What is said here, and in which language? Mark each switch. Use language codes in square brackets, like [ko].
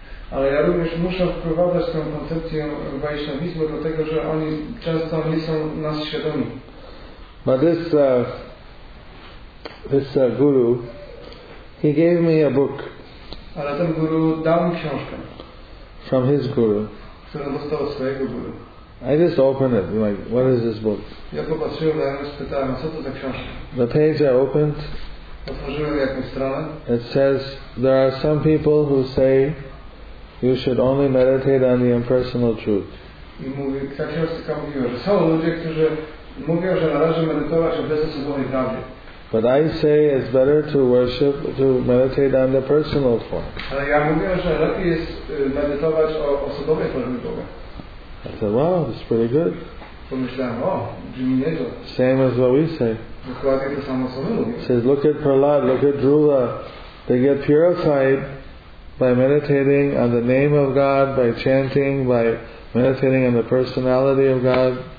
[pl] Ale ja również muszę wprowadzać tę koncepcję Vaishnavizmu, dlatego że oni często nie są nas świadomi. [en] But this guru, he gave me a book. [pl] Ale ten guru dał mi książkę. [en] From his guru. [pl] Którą dostał od swojego guru. [en] I just opened it. I'm like, what is this book? [pl] Ja popatrzyłem na nią, spytałem, co to za książka. [en] The page I opened. [pl] Otworzyłem jakąś stronę. [en] It says there are some people who say you should only meditate on the impersonal truth. [pl] I mówi, ta siostra mówiła, że są ludzie, którzy mówią, że należy medytować o bezosobowej prawdzie. [en] But I say it's better to worship, to meditate on the personal form. [pl] Ale ja mówię, że lepiej jest medytować o osobowej formie Boga. [en] I said, wow, that's pretty good. [pl] Pomyślałem, o, brzmi nieco. [en] Same as what we say. [pl] Dokładnie to samo, co my mówimy. [en] Says, look at Prahlad, look at Dhruva. They get purified by meditating on the name of God, by chanting, by meditating on the personality of God.